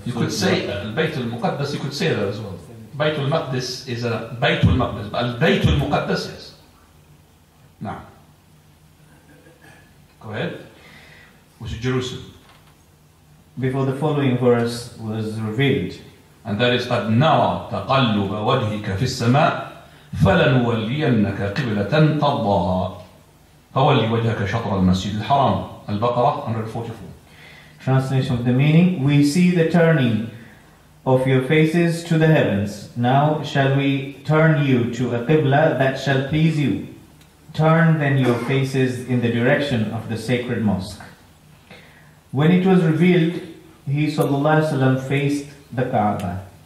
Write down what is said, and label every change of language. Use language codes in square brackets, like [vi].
[en] you could say Bayt al-Muqaddas. You could say that as well. Bayt al-Muqaddas is a Bayt al-Muqaddas, but Bayt al-Muqaddas is. Now, go ahead. Which is Jerusalem? Before the following verse was revealed, and that is [ar] قَدْ نَوَى تَقَلُّبَ وَجْهِكَ فِي السَّمَاءِ فَلَنُوَلِّيَنَّكَ قِبْلَةً تَرْضَاهَا فَوَلِّ وَجْهَكَ شَطْرَ الْمَسْجِدِ الْحَرَامِ الْبَقَرَةُ 144. [en] Translation of the meaning, we see the turning of your faces to the heavens. Now shall we turn you to a Qibla that shall please you. Turn then your faces in the direction of the sacred mosque. When it was revealed, he sallallahu alayhi wa sallam faced the Kaaba.